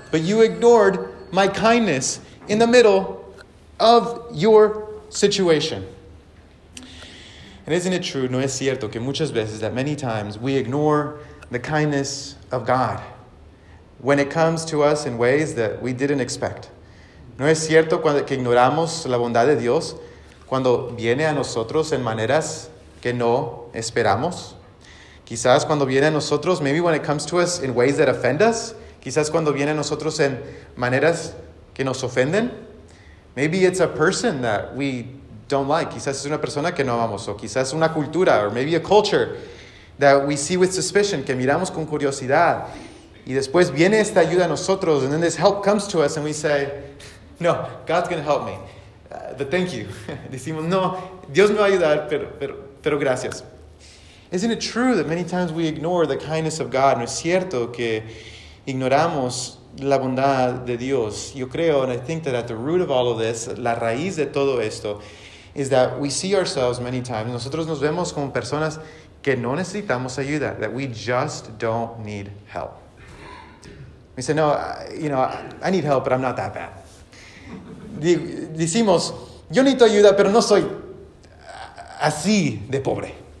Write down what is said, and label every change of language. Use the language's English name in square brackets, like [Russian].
[English] But you ignored my kindness in the middle of your situation. And isn't it true, [Spanish] no es cierto, que muchas veces, [English] that many times, we ignore the kindness of God when it comes to us in ways that we didn't expect. [Spanish] No es cierto cuando, que ignoramos la bondad de Dios cuando viene a nosotros en maneras que no esperamos. Quizás cuando viene a nosotros, maybe when it comes to us in ways that offend us, quizás cuando viene a nosotros en maneras que nos ofenden. [English] Maybe it's a person that we don't like. [Spanish] Quizás es una persona que no amamos. O quizás una cultura, or maybe a culture that we see with suspicion, que miramos con curiosidad. Y después viene esta ayuda a nosotros, [English] and then this help comes to us, and we say, no, God's going to help me. But thank you. [Spanish] Decimos, no, Dios me va a ayudar, pero gracias. [English] Isn't it true that many times we ignore the kindness of God? [Spanish] No es cierto que ignoramos la bondad de Dios. Yo creo, [English] and I think that at the root of all of this, [Spanish] la raíz de todo esto, [English] is that we see ourselves many times, [Spanish] nosotros nos vemos como personas que no necesitamos ayuda, [English] that we just don't need help. We say, no, you know, I need help, but I'm not that bad. [Spanish] Decimos, yo necesito ayuda, pero no soy así de pobre.